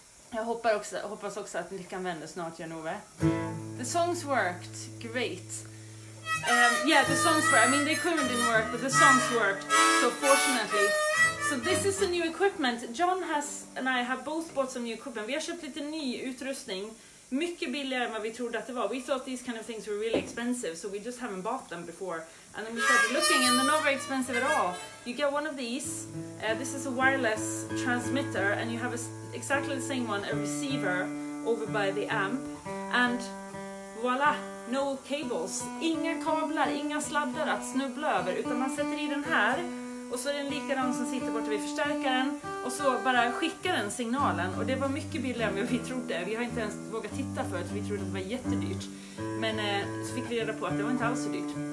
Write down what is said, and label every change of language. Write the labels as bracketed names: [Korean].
[Swedish] Jag hoppas också att ni kan vända snart, Janove. [English] The songs worked. Great. Yeah, the songs worked. I mean, the equipment didn't work, but the songs worked. So fortunately. So this is the new equipment. John has and I have both bought some new equipment. [Swedish] Vi har köpt lite ny utrustning. Mycket billigare än vad vi trodde att det var. [English] We thought these kind of things were really expensive, so we just haven't bought them before. And then we started looking, and they're not very expensive at all. You get one of these. This is a wireless transmitter, and you have exactly the same one, a receiver over by the amp. And voila, no cables. [Swedish] Inga kablar, inga sladdar att snubbla över, utan man sätter i den här. Och så är det en likadan som sitter borta vid förstärkaren. Och så bara skicka den signalen. Och det var mycket billigare än vad vi trodde. Vi har inte ens vågat titta för att vi trodde att det var jättedyrt. Men så fick vi reda på att det var inte alls så dyrt.